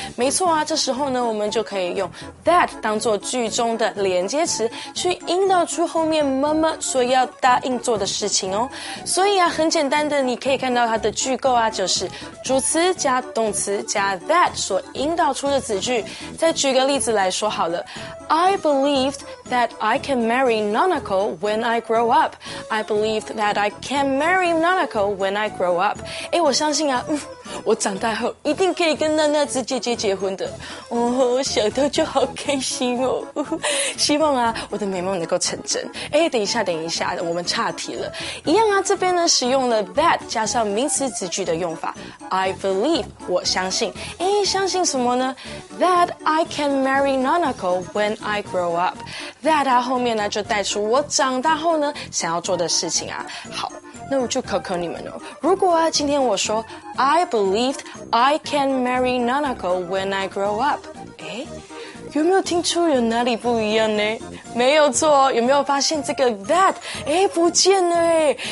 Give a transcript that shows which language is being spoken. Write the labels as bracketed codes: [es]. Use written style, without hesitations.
[zh] 没错啊，这时候呢，我们就可以用 that 当作句中的连接词，去引导出后面妈妈所要答应做的事情哦。所以啊，很简单的，你可以看到它的句构啊，就是。主词加动词加 that 所引导出的子句，再举个例子来说好了。 [en] I believed that I can marry Nanako when I grow up. I believed that I can marry Nanako when I grow up. [zh] 诶，我相信啊，我长大后一定可以跟娜娜子姐姐结婚的。哦，想到就好开心哦。希望啊，我的美梦能够成真。诶，等一下，我们岔题了。一样啊，这边呢使用了 that 加上名词子句的用法。 [en] I believe, [zh] 我相信。诶，相信什么呢 [en] ?That I can marry Nanako when I grow up. [zh] That 啊后面呢就带出我长大后呢想要做的事情啊。好，那我就考考你们哦。如果啊今天我说 [en] I believed I can marry Nanako when I grow up. [zh] 诶，有没有听出有哪里不一样呢？没有错，有没有发现这个 that 诶不见了诶？